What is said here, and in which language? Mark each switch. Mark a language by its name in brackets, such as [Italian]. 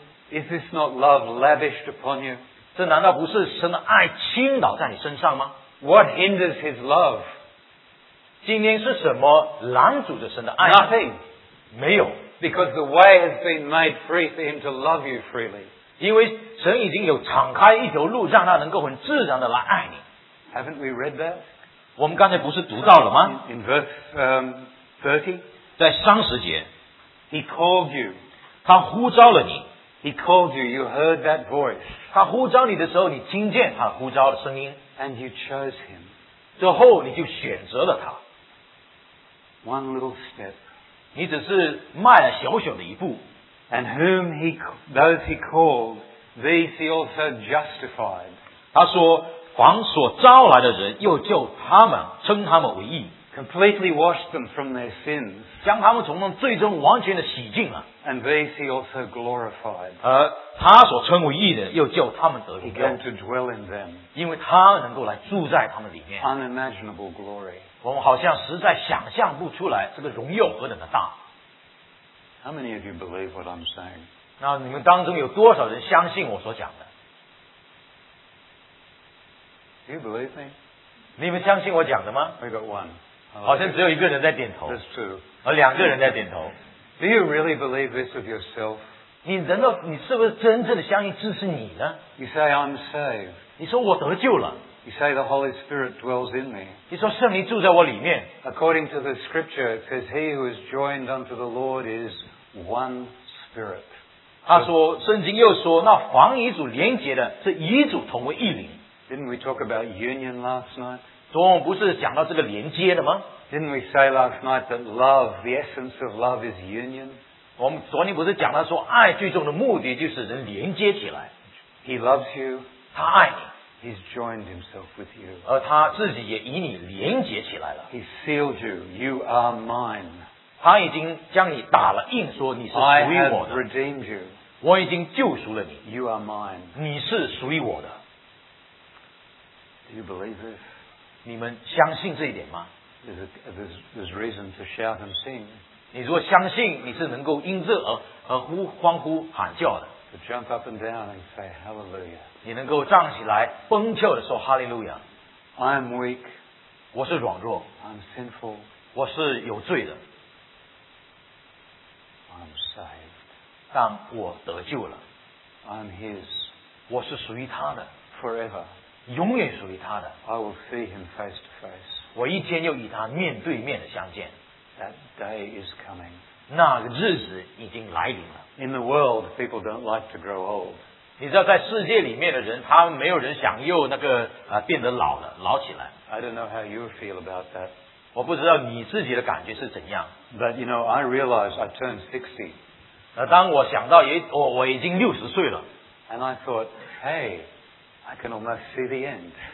[English] ？Is this not love lavished upon you? [Chinese] 这难道不是神的爱倾倒在你身上吗 [English] ？What hinders His love? [Chinese] 今天是什么拦阻着神的爱 [English] ？Nothing. [Chinese] 没有。 [English] Because the way has been made free for him to love you freely. [Chinese] 因为神已经有敞开一条路，让他能够很自然的来爱你。 [English] Haven't we read that? [Chinese] 我们刚才不是读到了吗 [English] ？In verse 30, [Chinese] 在三十节 [English] ，He called you. [Chinese] 他呼召了你。 [English] He called you. You heard that voice. [Chinese] 他呼召你的时候，你听见他呼召的声音。 [English] And you chose him. [Chinese] 之后你就选择了他。 [English] One little step. [Chinese] 你只是迈了小小的一步 [English] And whom he, those he called, these he also justified. [Chinese] 他说，凡所招来的人，又叫他们，称他们为义。 [English] completely washed them from their sins. [Chinese] 将他们从罪中完全的洗净了。 [English] And these he also glorified. [Chinese] 他所称为义的又叫他们得义。 [English] He began to dwell in them. [Chinese] 因为他能够来住在他们里面。 [English] Unimaginable glory. [Chinese] 我们好像实在想象不出来这个荣耀何等的大。 [English] How many of you believe what I'm saying? [Chinese] 那你们当中有多少人相信我所讲的? [English] Do you believe me? [Chinese] 你们相信我讲的吗? [English] I got one. [Chinese] 好像只有一个人在点头。 [English] There's two. [Chinese] 而两个人在点头。 [English] Do you really believe this of yourself? [Chinese] 你难道你是不是真正的相信这是你呢? [English] You say I'm saved. [Chinese] 你说我得救了。 [English] You say the Holy Spirit dwells in me. [Chinese] 你说圣灵住在我里面。 [English] According to the scripture, it says he who is joined unto the Lord is one spirit. [Chinese] 他说圣经又说那凡与主连结的是与主同为一灵。 [English] Didn't we talk about union last night? [Chinese] 昨晚不是讲到这个连接的吗? [English] Didn't we say last night that love, the essence of love is union? [Chinese] 我们昨天不是讲到说爱最终的目的就是人连接起来。 [English] He loves you. [Chinese] 他爱你。 [English] He's joined himself with you. [Chinese] 而他自己也与你连接起来了。 [English] He sealed you. You are mine. [Chinese] 他已经将你打了印说你是属于我的。 [English] I have redeemed you. [Chinese] 我已经救赎了你。 [English] You are mine. [Chinese] 你是属于我的。 [English] Do you believe this? [Chinese] 你们相信这一点吗? [English] There's reason to shout and sing. [Chinese] 你如果相信你是能够因这而欢呼喊叫的。 [English] To jump up and down and say hallelujah. [Chinese] 你能够站起来蹦跳的说哈利路亚。 [English] I'm weak. [Chinese] 我是软弱。 [English] I'm sinful. [Chinese] 我是有罪的。 [English] I'm saved. [Chinese] 但我得救了。 [English] I'm his. [Chinese] 我是属于他的。 [English] Forever. [Chinese] 永远属于他的。 [English] I will see him face to face. [Chinese] 我一天又与他面对面的相见。 [English] That day is coming. [Chinese] 那个日子已经来临了。 [English] In the world, people don't like to grow old. [Chinese] 你知道在世界里面的人他没有人想又那个变得老了老起来。 [English] I don't know how you feel about that. [Chinese] 我不知道你自己的感觉是怎样。 [English] But you know, I realize I turned 60. [Chinese] 当我想到我已经60岁了。 [English] And I thought, hey,I can almost see the end.